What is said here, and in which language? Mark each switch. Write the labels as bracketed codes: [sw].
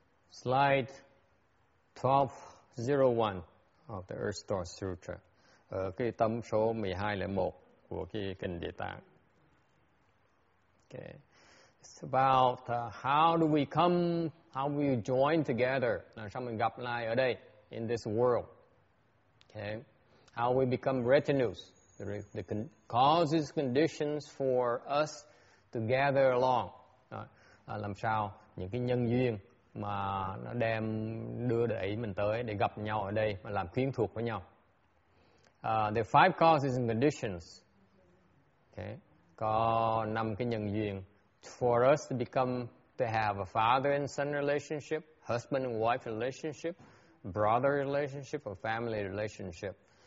[en] Slide 1201 of the Earth Store Sutra. [vi] Cái tấm số 1201 của cái kinh Địa Tạng. Okay. [en] It's about how we join together. [vi] Now, sao mình gặp lại ở đây, [en] in this world. Okay. How we become retinues, the causes, conditions for us to gather along. [vi] Làm sao những cái nhân duyên mà nó đem đưa đẩy mình tới để gặp nhau ở đây mà làm khuyến thuộc với nhau. [en] The five causes and conditions. Okay. [vi] Có năm cái nhân duyên [en] for us to become, to have a father and son relationship, husband and wife relationship, brother relationship or family relationship.